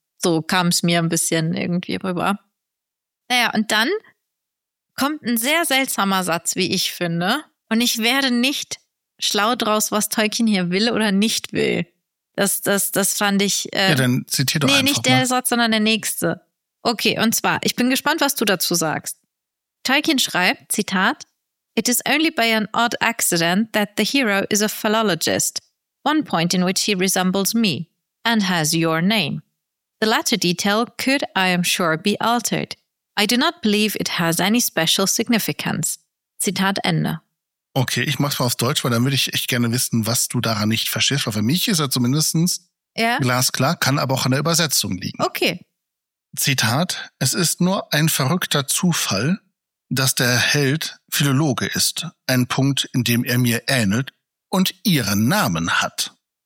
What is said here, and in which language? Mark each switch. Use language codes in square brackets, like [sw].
[de] So kam es mir ein bisschen irgendwie rüber. Naja, und dann kommt ein sehr seltsamer Satz, wie ich finde. Und ich werde nicht schlau draus, was Tolkien hier will oder nicht will. Das fand ich... dann zitier doch einfach. Nee, nicht der Satz, sondern der nächste. Okay, und zwar, ich bin gespannt, was du dazu sagst. Tolkien schreibt, Zitat, [en] "It is only by an odd accident that the hero is a philologist, one point in which he resembles me, and has your name. The latter detail could, I am sure, be altered. I do not believe it has any special significance." [de] Zitat Ende. Okay, ich mach's mal auf Deutsch, weil dann würde ich echt gerne wissen, was du daran nicht verstehst. Weil für mich ist er zumindest glasklar, kann aber auch an der Übersetzung liegen. Okay. Zitat, "Es ist nur ein verrückter Zufall, dass der Held Philologe ist, ein Punkt, in dem er mir ähnelt und ihren Namen hat.